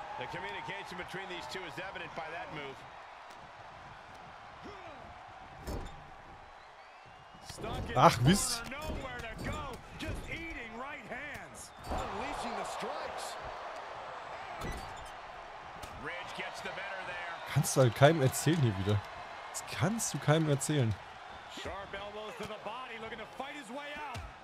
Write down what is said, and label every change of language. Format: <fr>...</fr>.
<en>Communication between these two is evident by that move.</en> <de>Ach, wisst.</de> <en>Nowhere to go, just eating right hands. Unleashing the strikes. Ridge gets the better there.</en> <de>Kannst du halt keinem erzählen hier wieder. Das kannst du keinem erzählen.</de> <en>Sharp elbows to the body, looking to fight his way out.</en>